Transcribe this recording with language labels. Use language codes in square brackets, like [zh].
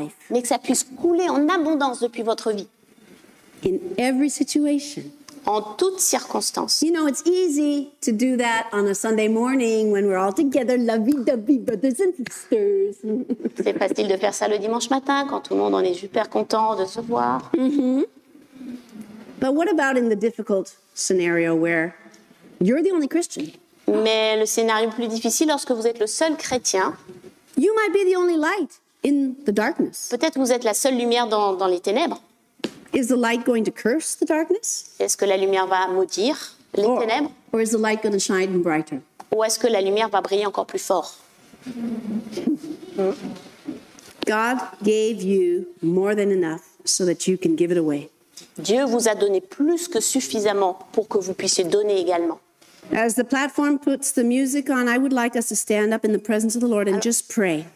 [fr] mais que ça puisse couler en abondance depuis votre vie. [en] In every situation. [fr] En toutes circonstances. [en] You know, it's easy to do that on a Sunday morning when we're all together, lovey-dovey brothers and sisters. [fr] C'est facile de faire ça le dimanche matin quand tout le monde en est super content de se voir. Mm-hmm. [en] But what about in the difficult scenario where you're the only Christian? [fr] Mais le scénario plus difficile lorsque vous êtes le seul chrétien. [en] You might be the only light in the darkness. [fr] Peut-être vous êtes la seule lumière dans les ténèbres. [en] Is the light going to curse the darkness? [fr] Est-ce que la lumière va maudire les ténèbres? [en] Or is the light going to shine brighter? [fr] Ou est-ce que la lumière va briller encore plus fort? [en] God gave you more than enough so that you can give it away. [fr] Dieu vous a donné plus que suffisamment pour que vous puissiez donner également. [en] As the platform puts the music on, I would like us to stand up in the presence of the Lord and just pray.